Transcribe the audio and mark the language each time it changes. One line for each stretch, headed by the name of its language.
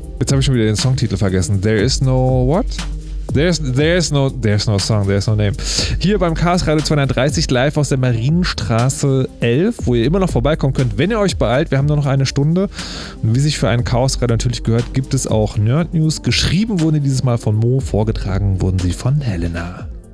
German: nämlich schon wieder den Songtitel vergessen.
English: There is no what? There's no song, there's no name.
German: Hier beim Chaos Radio 230 live aus der Marienstraße 11, wo ihr immer noch vorbeikommen könnt, wenn ihr euch beeilt. Wir haben nur noch eine Stunde. Und wie sich für einen Chaos Radio natürlich gehört, gibt es auch Nerd News. Geschrieben wurde dieses Mal von Mo, vorgetragen wurden sie von Helena.